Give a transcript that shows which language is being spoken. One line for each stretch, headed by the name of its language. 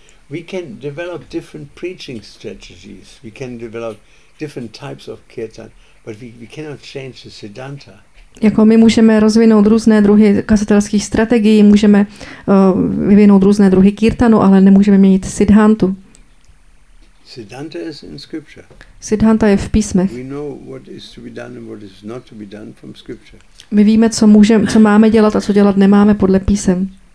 English: We can develop different preaching strategies. We can develop different types of kirtan, but we cannot change the siddhanta.
Czech: Jako my můžeme rozvinout různé druhy kazatelských strategií, můžeme vyvinout různé druhy kirtanu, ale nemůžeme měnit siddhantu.
English: Siddhanta is in scripture.
Czech: Siddhanta je v písmech.
English: We know what is to be done and what is not to be done from scripture.
Czech: My víme, co můžeme, co máme dělat a co dělat nemáme podle písem.